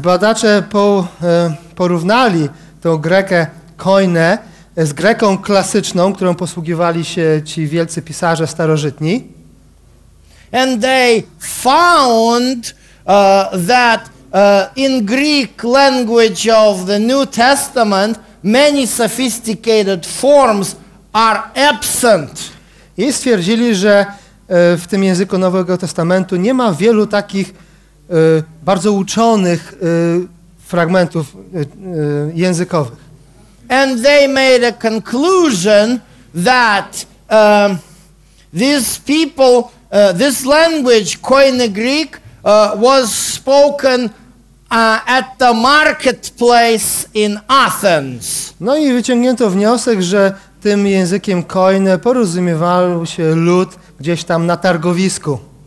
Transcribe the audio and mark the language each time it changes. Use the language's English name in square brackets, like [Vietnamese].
[Polish] Badacze porównali tą Grekę Koine z Greką klasyczną, którą posługiwali się ci wielcy pisarze starożytni. [English] And they found that in Greek language of the New Testament many sophisticated forms are absent. [Polish] I stwierdzili, że w tym języku Nowego Testamentu nie ma wielu takich bardzo uczonych fragmentów językowych. [English] And they made a conclusion that these people, this language, Koine Greek, was spoken at the marketplace in Athens. [Polish] No i wyciągnięto wniosek, że tym językiem Koine porozumiewał się lud gdzieś tam na targowisku.